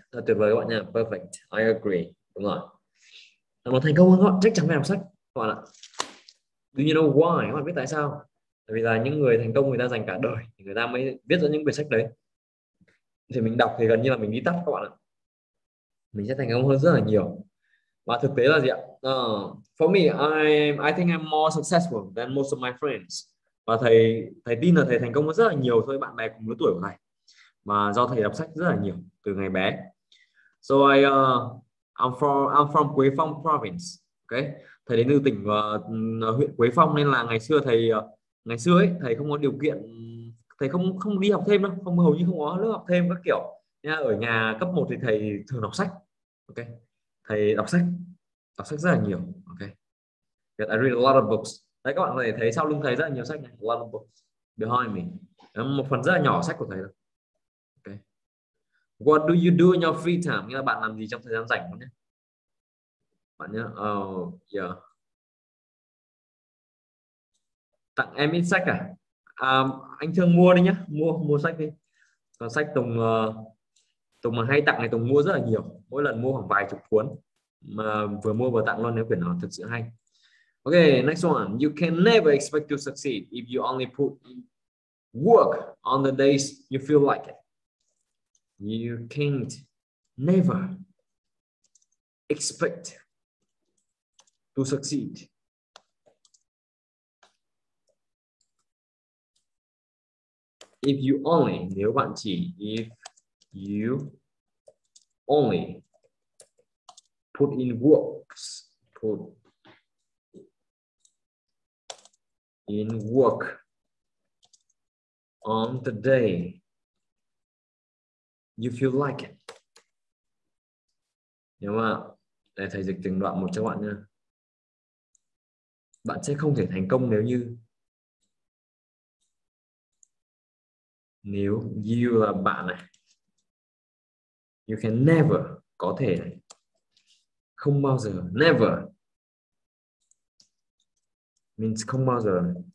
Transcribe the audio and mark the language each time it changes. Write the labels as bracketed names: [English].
[Vietnamese] Thật tuyệt vời các bạn nha. [English] Perfect. I agree. [Vietnamese] Đúng rồi. Là một thành công hơn các bạn chắc chắn phải đọc sách. Các bạn ạ. [English] Do you know why? [Vietnamese] Các bạn biết tại sao? Tại vì là những người thành công người ta dành cả đời thì người ta mới viết ra những quyển sách đấy. Thì mình đọc thì gần như là mình đi tắt các bạn ạ. Mình sẽ thành công hơn rất là nhiều. Và thực tế là gì ạ? [English] For me, I think I'm more successful than most of my friends. [Vietnamese] Và thầy tin là thầy thành công hơn rất là nhiều thôi bạn bè cùng lứa tuổi của thầy. Mà do thầy đọc sách rất là nhiều từ ngày bé. [English] So I'm from Quế Phong province. [Vietnamese] Okay. Thầy đến từ tỉnh huyện Quế Phong nên là ngày xưa ấy thầy không có điều kiện, thầy không đi học thêm đâu, không hầu như không có lớp học thêm các kiểu. Nha, ở nhà cấp 1 thì thầy thường đọc sách. Okay. Thầy đọc sách rất là nhiều. Okay. [English] I read a lot of books. [Vietnamese] Đấy các bạn có thể thấy sau lưng thầy rất là nhiều sách này, [English] a lot of books behind me. [Vietnamese] Đó một phần rất là nhỏ sách của thầy thôi. [English] What do you do in your free time? [Vietnamese] Nghĩa là bạn làm gì trong thời gian rảnh nhé? Bạn nhớ. Oh, yeah. Tặng em ít sách à? Anh thường mua đi nhá, mua sách đi. Còn sách Tùng mà hay tặng này Tùng mua rất là nhiều, mỗi lần mua khoảng vài chục cuốn, mà vừa mua vừa tặng luôn nếu quyển nào thật sự hay. [English] Okay, next one. You can never expect to succeed if you only put work on the days you feel like it. You can't never expect to succeed if you only, [Vietnamese] nếu bạn chỉ, [English] if you only put in works, put in work on the day you feel like it. [Vietnamese] Nếu mà để thầy dịch từng đoạn một cho bạn nha. Bạn sẽ không thể thành công nếu you là bạn này. [English] You can never, [Vietnamese] có thể này. Không bao giờ, [English] never means [Vietnamese] không bao giờ.